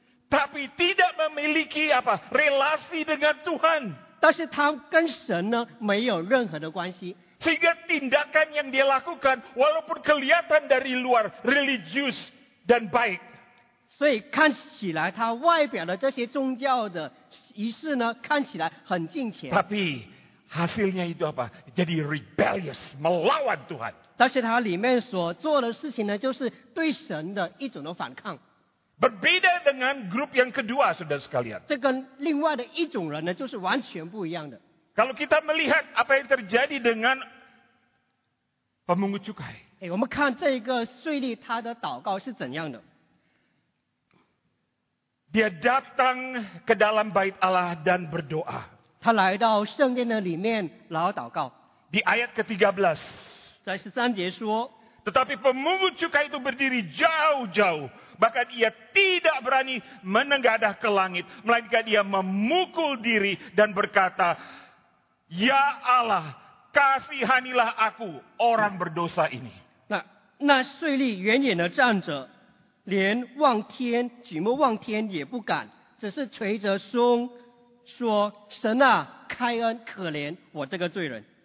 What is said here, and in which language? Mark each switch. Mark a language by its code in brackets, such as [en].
[id] Tapi tidak memiliki apa relasi dengan Tuhan. [zh] 但是他跟神呢没有任何的关系. [id] Sehingga tindakan yang dia lakukan walaupun kelihatan dari luar religius dan baik. [zh] 所以看起来他外表的这些宗教的仪式呢看起来很敬虔. [id] Tapi hasilnya itu apa? Jadi rebellious, melawan Tuhan. [zh] 但是他里面所做的事情呢，就是对神的一种的反抗. [id] Berbeda dengan grup yang kedua, saudara sekalian. [zh] 这跟另外的一种人呢，就是完全不一样的. [id] Kalau kita melihat apa yang terjadi dengan pemungut cukai. [zh] 我们看这个税吏他的祷告是怎样的. [id] Dia datang ke dalam bait Allah dan berdoa. [zh] 他来到圣殿的里面，然后祷告. [id] Di ayat ke-13. [zh] 在13节说, [id] tetapi pemungut cukai itu berdiri jauh-jauh, bahkan ia tidak berani menengadah ke langit, melainkan ia memukul diri dan berkata, "Ya Allah, kasihanilah aku orang berdosa ini." [zh] Nah, 那税吏远远的站着，连举目望天也不敢，只是垂着胸说：“神啊，开恩，可怜我这个罪人。”